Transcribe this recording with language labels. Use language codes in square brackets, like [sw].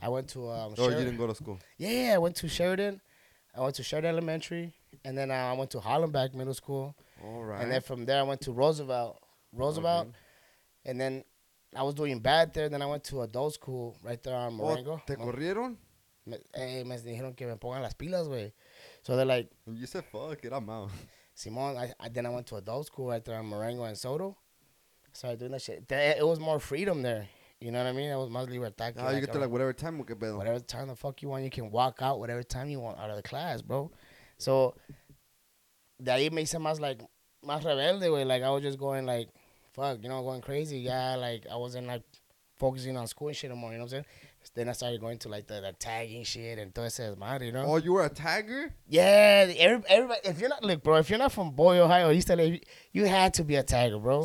[en] I went to you didn't go to school. Yeah, I went to Sheridan. I went to Sheridan Elementary, and then I went to Hollenbeck Middle School. All right. And then from there, I went to Roosevelt, okay. And then I was doing bad there. Then I went to adult school right there on Marengo. [es] Te corrieron? Me dijeron que me pongan las pilas, güey. [en] So they're like, you said fuck it, I'm out. Simon, then I went to adult school right there on Marengo and Soto. Started doing that shit. It was more freedom there. You know what I mean? It was mostly libertad. Oh, you get to like whatever time we could build. Whatever time the fuck you want, you can walk out whatever time you want out of the class, bro. [es] So de ahí me hice más like más rebelde, güey. [en] Like I was just going like, fuck, you know, going crazy. Yeah, like I wasn't like focusing on school and shit anymore. You know what I'm saying? Then I started going to like the tagging shit and [es] todo ese desmadre, [en] you know? Oh, you were a tagger? Yeah, everybody. If you're not look, bro, if you're not from Boyle High or East LA, you had to be a tagger, bro.